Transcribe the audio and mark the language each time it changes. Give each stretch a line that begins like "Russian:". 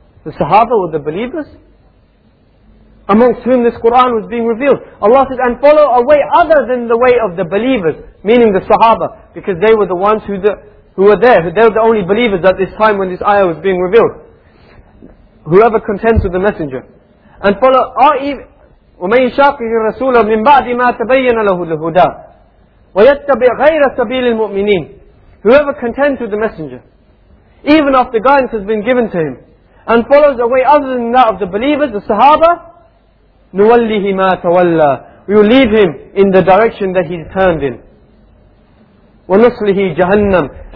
English: The Sahaba were the believers amongst whom this Qur'an was being revealed. Allah said, and follow a way other than the way of the believers, meaning the Sahaba, because they were the ones who were there. They were the only believers at this time when this ayah was being revealed. Whoever contends with the Messenger. And follow,
Arabic: وَمَنْ يُشَاقِهِ الرَّسُولَ مِنْ بَعْدِ مَا تَبَيَّنَ لَهُ الْهُدَى وَيَتَّبِعْ غَيْرَ سَبِيلِ الْمُؤْمِنِينَ.
English: Whoever contends with the Messenger, even after guidance has been given to him, and follows a way other than that of the believers, the Sahaba,
Arabic: نُوَلِّهِ مَا تَوَلَّى.
English: We will leave him in the direction that he's turned in.
Arabic: وَنُصْلِهِ جَهَنَّمْ.